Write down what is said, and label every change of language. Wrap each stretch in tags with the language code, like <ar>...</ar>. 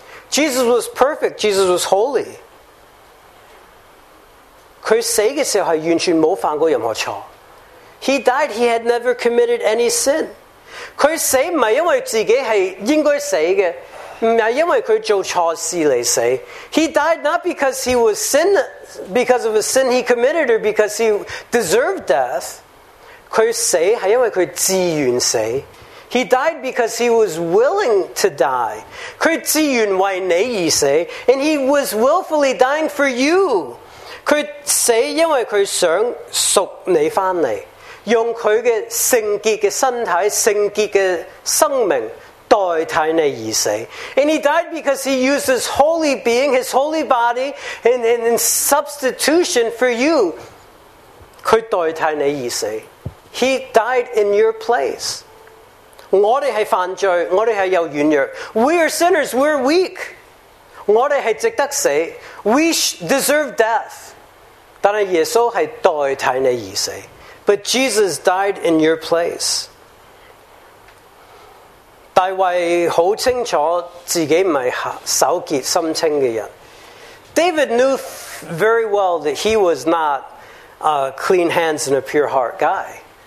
<en>Jesus was perfect, Jesus was holy.</en> <zh>他死的時候是完全沒有犯過任何錯。</zh> <en>He died, he had never committed any sin.</en> <zh>他死不是因為自己是應該死的。不是因为他做错事来死,</zh> <en>he died not because he was sin, because of a sin he committed or because he deserved death.</en> <zh>他死是因为他自愿死,</zh> <en>he died because he was willing to die.</en> <zh>他自愿为你而死,</zh> <en>and he was willfully dying for you.</en> <zh>他死因为他想赎你回来, 用他的圣洁的身体, 圣洁的生命, 代替你而死.</zh> <en>And he died because he used his holy being, his holy body, in substitution for you.</en> <zh>他代替你而死.</zh> <en>He died in your place.</en> <zh>我们是犯罪, 我们是有软弱.</zh> <en>We are sinners, we're weak.</en> <zh>我们是值得死.</zh> <en>We deserve death.</en> <zh>但是耶稣是代替你而死.</zh> <en>But Jesus died in your place.</en> <zh>大卫很清楚自己不是守潔心清的人。</zh> <en>David knew very well that he was not a clean hands and a pure heart guy.</en>